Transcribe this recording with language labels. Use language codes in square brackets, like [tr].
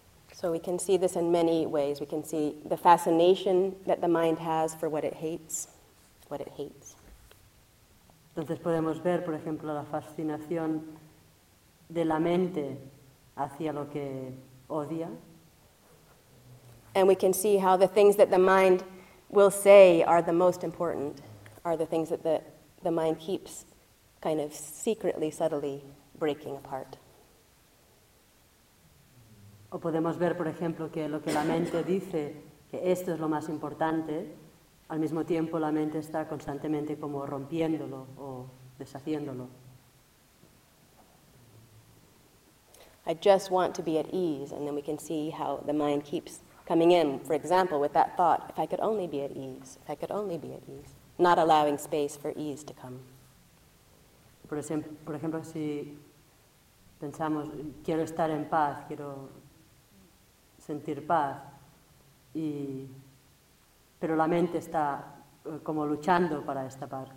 [en] So we can see this in many ways. We can see the fascination that the mind has for what it hates. [es] Entonces podemos ver, por ejemplo, la fascinación de la mente hacia lo que odia. [en] And we can see how the things that the mind will say are the most important, are the things that the mind keeps kind of secretly, subtly breaking apart. [es] O podemos ver, por ejemplo, que lo que la mente dice, que esto es lo más importante, al mismo tiempo la mente está constantemente como rompiéndolo o deshaciéndolo. [en] I just want to be at ease, and then we can see how the mind keeps coming in, for example, with that thought, if I could only be at ease, if I could only be at ease, not allowing space for ease to come. [es] Por ejemplo, si pensamos, quiero estar en paz, quiero sentir paz, y pero la mente está como luchando para esta paz.